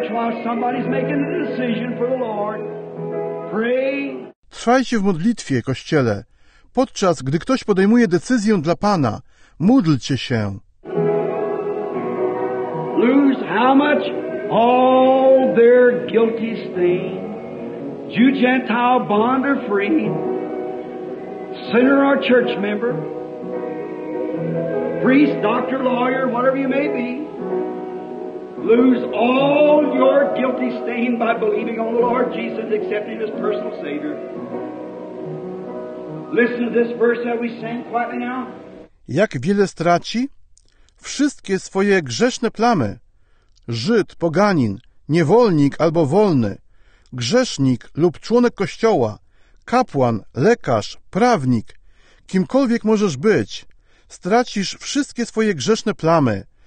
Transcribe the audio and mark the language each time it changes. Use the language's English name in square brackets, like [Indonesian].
[English] because somebody's making a decision for the Lord. Pray. [Polish] Trwajcie w modlitwie, Kościele. Podczas gdy ktoś podejmuje decyzję dla Pana, módlcie się. [English] Lose how much all their guilty stain. Jew, Gentile, bond or free. Sinner or church member. Priest, doctor, lawyer, whatever you may be. Lose all your guilty stain by believing on the Lord Jesus and accepting His personal Savior. Listen to this verse that we sang quietly now. [Polish] Jak wiele straci? Wszystkie swoje grzeszne plamy. Żyd, poganin, niewolnik albo wolny, grzesznik lub członek kościoła, kapłan, lekarz, prawnik, kimkolwiek możesz być, stracisz wszystkie swoje grzeszne plamy.